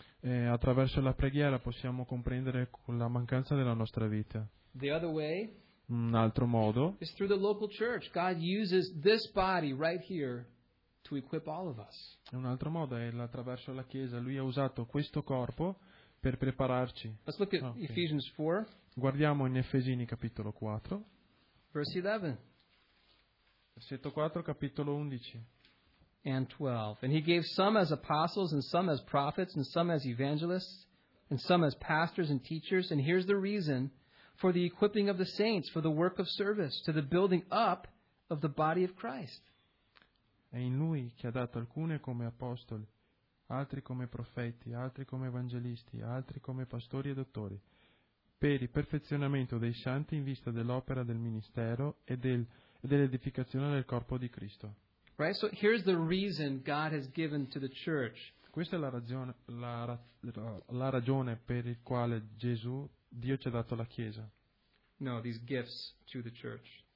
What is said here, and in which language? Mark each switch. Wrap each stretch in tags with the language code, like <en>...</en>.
<it>E attraverso la preghiera possiamo comprendere la mancanza della nostra vita.</it> <en>The other way.</en> <it>Un altro modo.</it> <en>It's through the local church. God uses this body right here to equip all of us.</en> <it>Un altro modo è attraverso la chiesa. Lui ha usato questo corpo per prepararci.</it> <en>Let's look at Ephesians 4.</en> <it>Guardiamo in Efesini capitolo 4.</it> <en>Verse 11.</en> <it>Versetto 4, capitolo 11.</it> <en>And 12. And he gave some as apostles, and some as prophets, and some as evangelists, and some as pastors and teachers. And here's the reason. For the equipping of the saints, for the work of service, to the building up of the body of Christ.</en> <it>È in lui che ha dato alcuni come apostoli, altri come profeti, altri come evangelisti, altri come pastori e dottori, per il perfezionamento dei santi in vista dell'opera del ministero e dell'edificazione del corpo di Cristo.</it> <en>Right, so here's the reason God has given to the church.</en> <it>Questa è la ragione per il quale Gesù Dio ci ha dato la Chiesa.</it> <en>No, these gifts to the church.</en>